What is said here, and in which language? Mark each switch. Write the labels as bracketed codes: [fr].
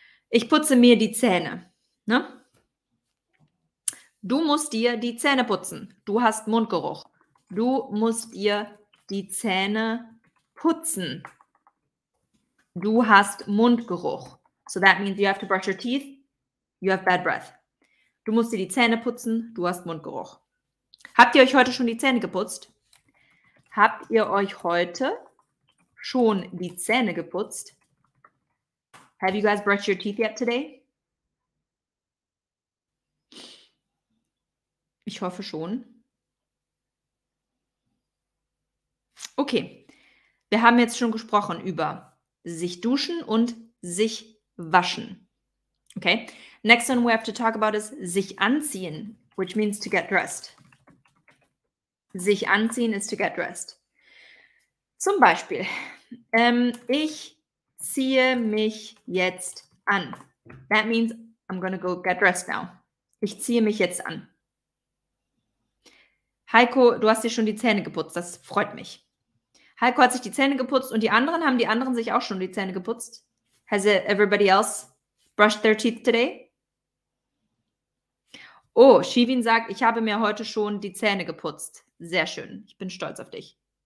[de] Ich putze mir die Zähne. Ne? Du musst dir die Zähne putzen. Du hast Mundgeruch. Du musst dir die Zähne putzen. Du hast Mundgeruch. [en] So that means you have to brush your teeth. You have bad breath. [de] Du musst dir die Zähne putzen. Du hast Mundgeruch. Habt ihr euch heute schon die Zähne geputzt? Habt ihr euch heute schon die Zähne geputzt? [en] Have you guys brushed your teeth yet today? [de] Ich hoffe schon. Okay. Wir haben jetzt schon gesprochen über sich duschen und sich waschen. Okay. [en] Next one we have to talk about is sich anziehen, which means to get dressed. [de] Sich anziehen [en] is to get dressed. [de] Zum Beispiel, ich ziehe mich jetzt an. [en] That means I'm going to go get dressed now. [de] Ich ziehe mich jetzt an. Heiko, du hast dir schon die Zähne geputzt. Das freut mich. Heiko hat sich die Zähne geputzt und haben die anderen sich auch schon die Zähne geputzt? [en] Has everybody else brushed their teeth today? [de] Oh, Shivin sagt, ich habe mir heute schon die Zähne geputzt. Sehr schön. Ich bin stolz auf dich.